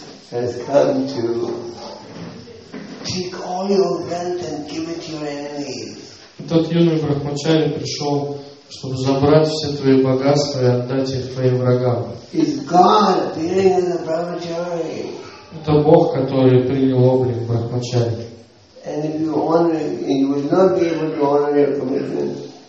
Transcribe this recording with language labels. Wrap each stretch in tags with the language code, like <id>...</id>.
<en>Has come to take all your wealth and give it to your enemies.</en> <ru>Тот юный брахмачари пришел, чтобы забрать все твои богатства и отдать их твоим врагам.</ru> <en>Is God appearing in the brahmachari?</en> <ru>Это Бог, который принял облик брахмачари.</ru> <en>And if you honor him, you will not be able to honor your commitment.</en>